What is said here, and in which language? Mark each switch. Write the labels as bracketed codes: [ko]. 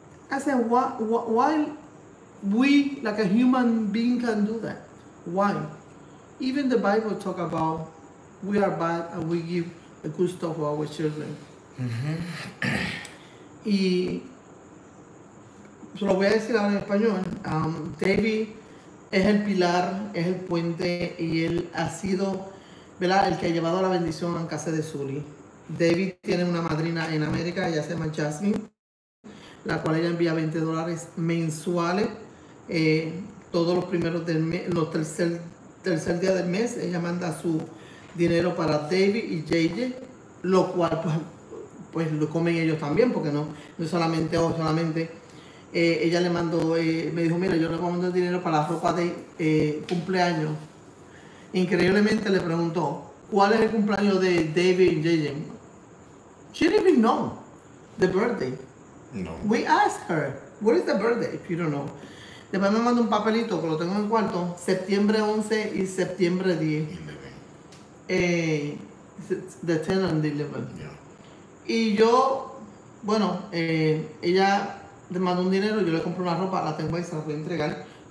[en] I said, why we, like a human being, can do that? Why? Even the Bible talk about we are bad and we give the good stuff to our children. Mm-hmm. [es] Y, lo voy a decir ahora en español. David es el pilar, es el puente, y él ha sido, ¿verdad?, el que ha llevado la bendición en casa de Zuli. David tiene una madrina en América, ella se llama Jasmine, la cual ella envía $20 mensuales todos los primeros del mes, los tercer día del mes. Ella manda su dinero para David y JJ, lo cual pues lo comen ellos también, porque no solamente o solamente ella le mandó, me dijo, mira, yo le mando el dinero para la ropa de cumpleaños. Increíblemente le preguntó, ¿cuál es el cumpleaños de David y JJ? [en] She didn't even know the birthday. No. We asked her, what is the birthday, if you don't know. [es] Después me mandó un papelito, que lo tengo en el cuarto, septiembre 11 y septiembre 10. 11. [en] The 10 and the 11. Yeah. [es] Y yo, bueno, ella me mandó un dinero, yo le compré una ropa, la tengo ahí, se la voy a entregar.